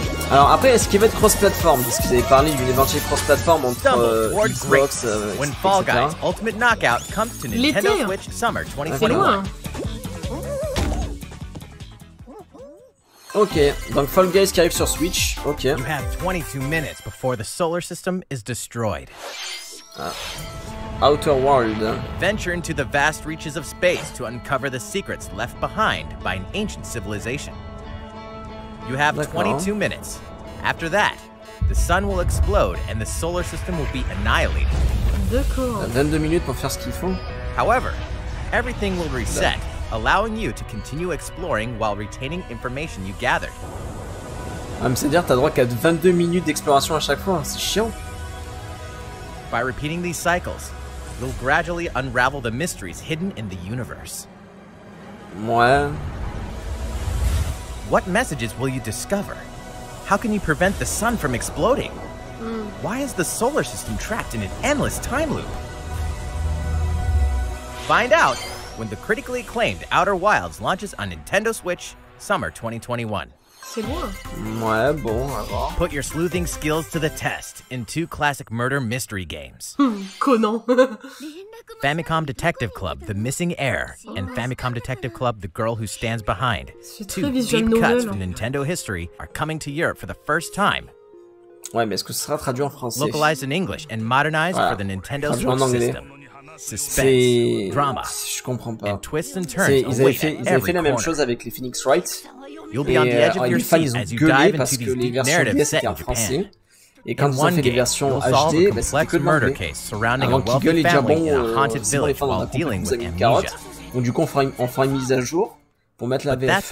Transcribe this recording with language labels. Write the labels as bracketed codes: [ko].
[fr] Alors après, est-ce qu'il va être cross-platform? Parce que vous avez parlé d'une éventuelle cross-platform entre Xbox, etc. L'été, c'est loin. Ok, donc Fall Guys qui arrive sur Switch. Ok. [en] You have 22 minutes before the solar system is destroyed. Ah. Outer World. Venture into the vast reaches of space to uncover the secrets left behind by an ancient civilization. You have 22 minutes. After that, the sun will explode and the solar system will be annihilated. [fr] D'accord. 22 minutes pour faire ce qu'il faut. [en] However, everything will reset, allowing you to continue exploring while retaining information you gathered. [fr] Ah, mais c'est-à-dire, t'as droit qu'à 22 minutes d'exploration à chaque fois, c'est chiant. [en] By repeating these cycles, you'll gradually unravel the mysteries hidden in the universe. [fr] Ouais. [en] What messages will you discover? How can you prevent the sun from exploding? Why is the solar system trapped in an endless time loop? Find out when the critically acclaimed Outer Wilds launches on Nintendo Switch, summer 2021. [fr] C'est moi. Ouais, bon, alors. [en] Put your sleuthing skills to the test in two classic murder mystery games. Conan. Famicom Detective Club, The Missing Heir, and Famicom Detective Club, The Girl Who Stands Behind. Two deep cuts from Nintendo history are coming to Europe for the first time. [fr] Ouais, mais est-ce que ce sera traduit en français? [en] Localized in English and modernized for the Nintendo Switch system. [fr] Suspense, drama, je comprends pas. [en] And twists and turns. [fr] C'est, ils avaient fait la même chose avec les Phoenix Wright. You'll be on the edge of your seat as you dive into these deep narratives set in Japan. Et quand vous avez des versions HD, bah c'était que de l'anglais. Avant qu'ils gueulent les jambons, sinon les fans en a compris. Donc du coup, on fera une mise à jour pour mettre la VF.